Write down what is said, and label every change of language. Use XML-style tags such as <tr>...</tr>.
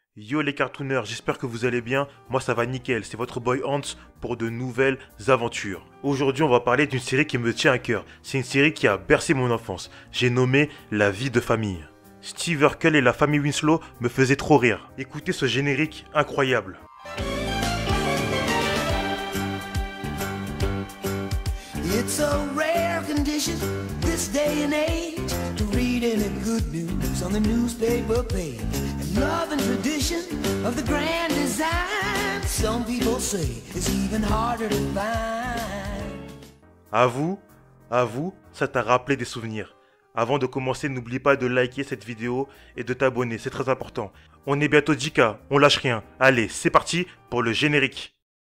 <fr>Yo les cartooners, j'espère que vous allez bien. Moi ça va nickel, c'est votre boy Hans pour de nouvelles aventures. Aujourd'hui, on va parler d'une série qui me tient à cœur. C'est une série qui a bercé mon enfance. J'ai nommé La vie de famille. Steve Urkel et la famille Winslow me faisaient trop rire. Écoutez ce générique incroyable.</fr> <en>It's a rare condition this day and age to read any good news on the newspaper page. Love and tradition of the grand design. Some people say it's even harder to find.</en> <fr>À vous, ça t'a rappelé des souvenirs. Avant de commencer, n'oublie pas de liker cette vidéo et de t'abonner, c'est très important. On est bientôt 10K, on lâche rien. Allez, c'est parti pour le générique.</fr>